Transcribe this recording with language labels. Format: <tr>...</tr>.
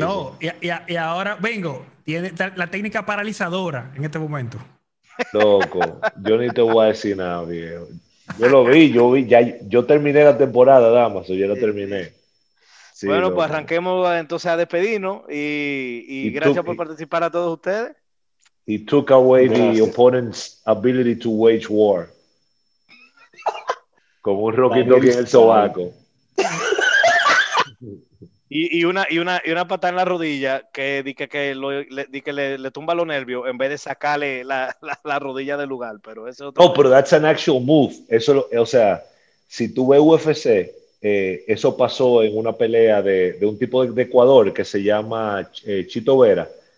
<es>No, y ahora, vengo, tiene la técnica paralizadora en este momento. Loco, yo ni te voy a decir nada, viejo. Yo lo vi, yo terminé la temporada, Damaso, ya la terminé. Sí, bueno, pues arranquemos entonces a despedirnos y gracias por participar a todos ustedes.</es> <en>He took away the opponent's ability to wage war.</en> <es>Como un Rocky Dogi en el sobaco. Y una patada en la rodilla que le tumba los nervios en vez de sacarle la rodilla del lugar, pero eso no, pero that's an actual move. Eso, o sea, si tú ves UFC, eso pasó en una pelea de un tipo de Ecuador que se llama Chito Vera.</es>